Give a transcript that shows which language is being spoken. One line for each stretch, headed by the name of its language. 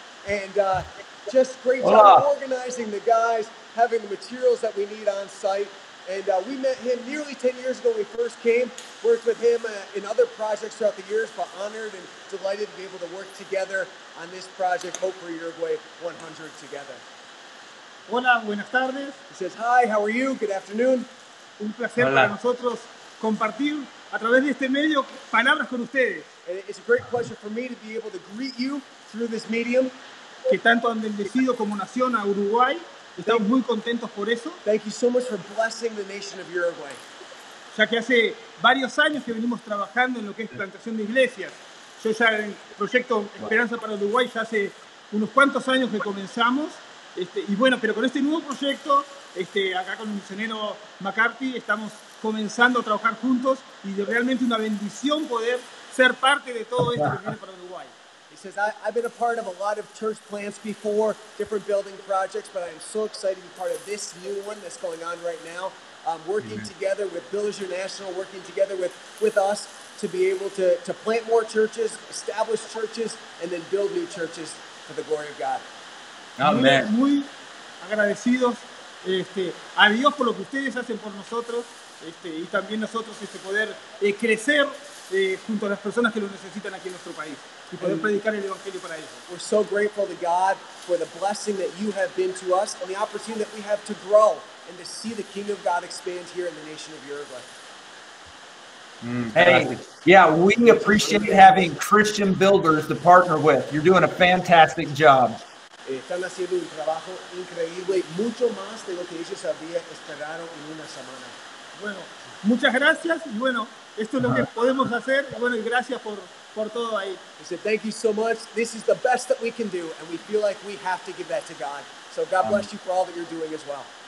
English: And just great job organizing the guys, having the materials that we need on site. And we met him nearly 10 years ago when we first came, worked with him in other projects throughout the years, but honored and delighted to be able to work together on this project, Hope for Uruguay 100 together.
Spanish: Hola, buenas tardes.
English: He says, hi, how are you? Good afternoon.
Spanish: Un placer para nosotros compartir a través de este medio palabras con ustedes.
English: And it's a great pleasure for me to be able to greet you through this medium.
Spanish: Que tanto han bendecido como nación a Uruguay. Estamos muy contentos por eso.
English: Thank you so much for blessing the nation of Uruguay.
Spanish: Ya que hace varios años que venimos trabajando en lo que es plantación de iglesias. Yo ya en el proyecto Esperanza para Uruguay ya hace unos cuantos años que comenzamos. Y bueno, pero con este nuevo proyecto, acá con el misionero McCarthy, estamos comenzando a trabajar juntos y de realmente una bendición poder ser parte de todo esto que viene para Uruguay.
English: He says, I've been a part of a lot of church plants before, different building projects, but I'm so excited to be part of this new one that's going on right now, working together with Builders International, working together with us to be able to plant more churches, establish churches, and then build new churches for the glory of God.
Spanish: Amén. Muy agradecidos a Dios por lo que ustedes hacen por nosotros y también nosotros poder crecer junto a las personas que lo necesitan aquí en nuestro país y poder predicar el evangelio para ellos.
English: We're so grateful to God for the blessing that you have been to us and the opportunity that we have to grow and to see the kingdom of God expand here in the nation of Uruguay. Hey, we appreciate having Christian builders to partner with. You're doing a fantastic job.
Spanish: Están haciendo un trabajo increíble, mucho más de lo que ellos habían esperado en una semana. Bueno, muchas gracias. Y bueno, esto es lo que podemos hacer. Y bueno, y gracias por todo ahí.
English: He said, thank you so much. This is the best that we can do. And we feel like we have to give that to God. So God bless you for all that you're doing as well.